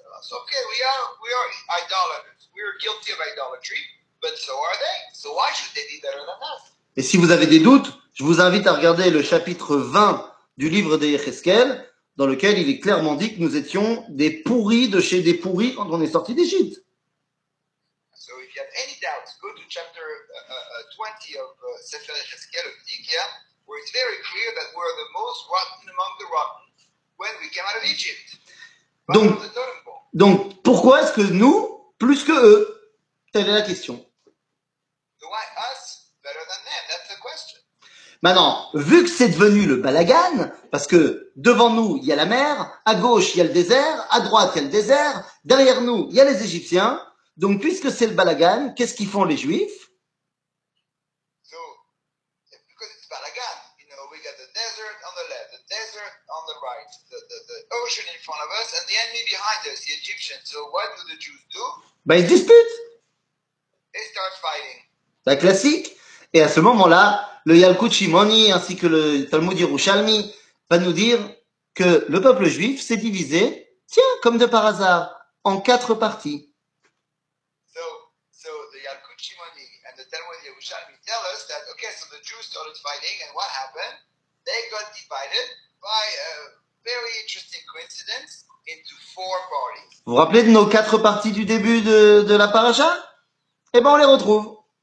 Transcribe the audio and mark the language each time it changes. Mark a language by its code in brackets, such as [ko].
[en] Okay, we are idolaters. We are guilty of idolatry, but so are they. So why should they be better than us? [fr] Et si vous avez des doutes, Je vous invite à regarder le chapitre 20 du livre des Yéhézkel, dans lequel il est clairement dit que nous étions des pourris de chez des pourris quand on est sortis d'Égypte. [en] So if you have any doubts, go to chapter 20 of Sefer Yéhézkel of Nidkiya, where it's very clear that we're the most rotten among the rotten when we came out of Egypt. [fr] Donc, pourquoi est-ce que nous, plus que eux? Telle est la question. [en] Why us better than them? That's the question. [fr] Maintenant, vu que c'est devenu le balagan, parce que devant nous, il y a la mer, à gauche, il y a le désert, à droite, il y a le désert, derrière nous, il y a les Égyptiens, donc puisque c'est le balagan, qu'est-ce qu'ils font les Juifs? [en] So, because it's balagan, you know, we got the desert on the left, the desert on the right, the ocean in front of us, and the enemy behind us, the Egyptians. So what do the Jews do? [fr] Ben, ils disputent. [en] They start fighting. [fr] La classique. Et à ce moment-là, le Yalkut Shimoni ainsi que le Talmud Yerushalmi va nous dire que le peuple juif s'est divisé, tiens, comme de par hasard, en quatre parties. [en] So the Yalkut Shimoni and the Talmud Yerushalmi tell us that, okay, so the Jews started fighting, and what happened? They got divided by a very interesting coincidence into four parties. [fr] Vous vous rappelez de nos quatre parties du début de la paracha? Eh bien, on les retrouve.